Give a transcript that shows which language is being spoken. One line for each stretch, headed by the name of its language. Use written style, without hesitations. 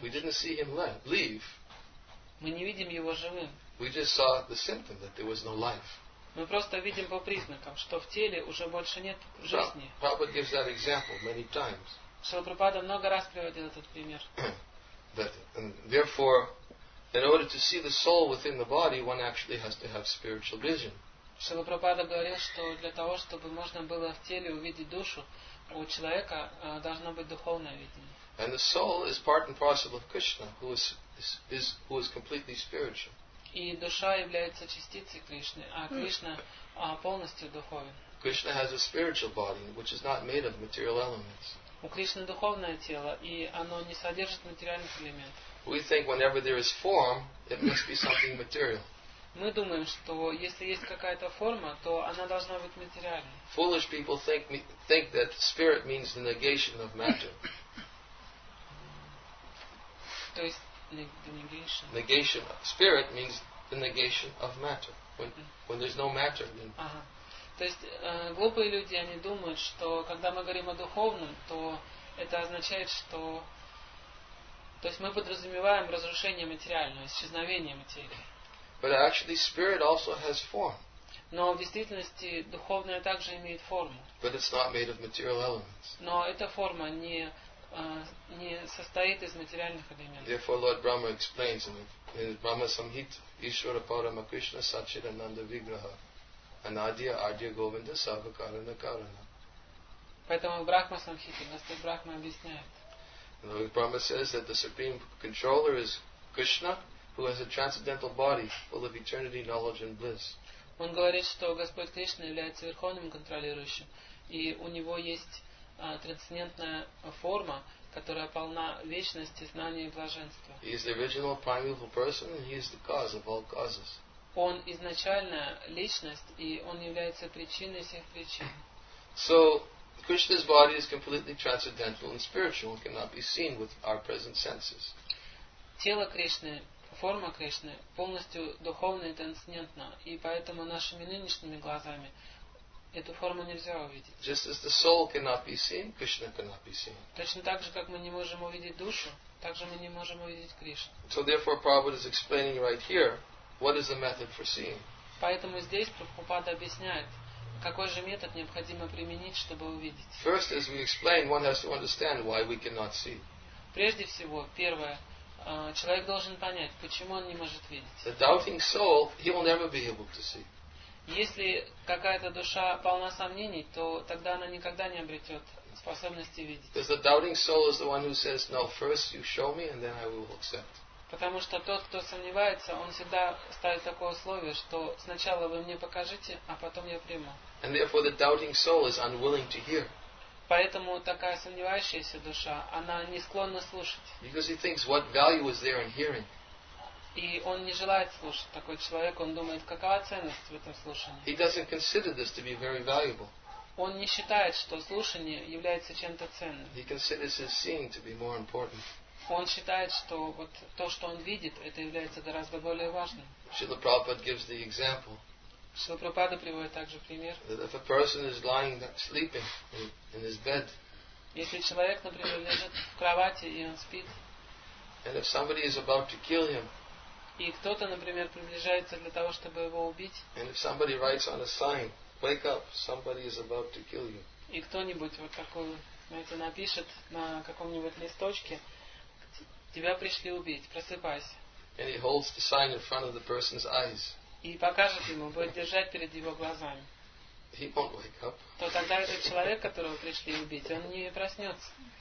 English: We didn't see him leave.
Russian: Мы не видим его живым.
English: We just saw the symptom that there was no life.
Russian: Мы просто видим по признакам, что в теле уже больше нет жизни.
English: Prabhupada gives that example many times.
Russian: Шрила Прабхупада много раз приводил этот пример.
English: But, and therefore, in order to see the soul within the body, one actually has to have spiritual vision.
Russian: Шрила Прабхупада говорил, что для того, чтобы можно было в теле увидеть душу, у человека должно быть духовное видение.
English: And the soul is part and parcel of Krishna, who is completely spiritual.
Russian: И душа является частицей Кришны, а Кришна полностью духовен.
English: Krishna has a spiritual body, which is not made of material elements.
Russian: У Кришны духовное тело, и оно не содержит материальных элементов.
English: We think whenever there is form, it must be something material.
Russian: Мы думаем, что если есть какая-то форма, то она должна быть материальной.
English: Foolish people think that spirit means the negation of matter.
Russian: То есть
English: the negation. Negation. Spirit means the negation of matter. When there's no matter, then.
Russian: То есть глупые люди, они думают, что когда мы говорим о духовном, то это означает, что то есть мы подразумеваем разрушение материального, исчезновение материи.
English: But actually spirit also has form.
Russian: Но в действительности духовное также имеет форму.
English: But it's not made of material elements.
Russian: Но эта форма не состоит из материальных элементов.
English: Therefore Lord Brahma explains in Brahma Samhita,
Sanskrit: Ishvara Parama Krishna Satchidananda Vigraha. Anadya Adya Govinda Savakarana Karana.
Russian: Поэтому Брахма Самхита, Господь Брахма объясняет.
English: Lord Brahma says that the supreme controller is Krishna, who has a transcendental body full of eternity, knowledge and bliss.
Russian: Он говорит, что Господь Кришна является верховным контролирующим, и у него есть трансцендентная форма, которая полна вечности, знания и блаженства.
English: He is the original primeval person and he is the cause of all causes.
Russian: Он изначально личность, и он является причиной всех причин.
English: So, Krishna's body is completely transcendental and spiritual and cannot be seen with our present senses.
Russian: Тело Кришны, форма Кришны полностью духовна и трансцендентна, и поэтому нашими нынешними глазами эту форму нельзя увидеть.
English: Just as the soul cannot be seen, Krishna cannot be seen.
Russian: Точно так же, как мы не можем увидеть душу, так же мы не можем увидеть Кришну.
English: So therefore, Prabhupada is explaining right here. What is the method for seeing?
Russian: Поэтому здесь Прабхупада объясняет, какой же метод необходимо применить, чтобы увидеть.
English: First, as we explain, one has to understand why we cannot see.
Russian: Прежде всего, первое, человек должен понять, почему он не может видеть.
English: The doubting soul, he will never be able to see.
Russian: Если какая-то душа полна сомнений, то тогда она никогда не обретет способности видеть.
English: Because the doubting soul is the one who says, "No, first you show me, and then I will accept."
Russian: Потому что тот, кто сомневается, он всегда ставит такое условие, что сначала вы мне покажите, а потом я приму.
English: And therefore the doubting soul is unwilling to hear.
Russian: Поэтому такая сомневающаяся душа, она не склонна слушать.
English: Because he thinks what value is there in hearing.
Russian: И он не желает слушать. Такой человек, он думает, какова ценность в этом слушании.
English: He doesn't consider this to be very valuable.
Russian: Он не считает, что слушание является чем-то ценным.
English: He considers his seeing to be more important.
Russian: Он считает, что вот то, что он видит, это является гораздо более важным.
English: Шрила Прабхупада gives the example.
Russian: Шрила Прабхупада приводит также пример.
English: That if a person is lying sleeping in his bed.
Russian: Если человек, например, лежит в кровати и он спит.
English: And if somebody is about to kill him.
Russian: И кто-то, например, приближается для того, чтобы его убить.
English: And if somebody writes on a sign, "Wake up, somebody is about to kill you."
Russian: И кто-нибудь вот такой, знаете, напишет на каком-нибудь листочке. Тебя пришли убить. Просыпайся.
English: And he holds the sign in front of the person's eyes.
Russian: И покажет ему, будет держать перед его глазами.
English: He won't wake up.
Russian: То тогда этот человек, которого пришли убить, он не проснется.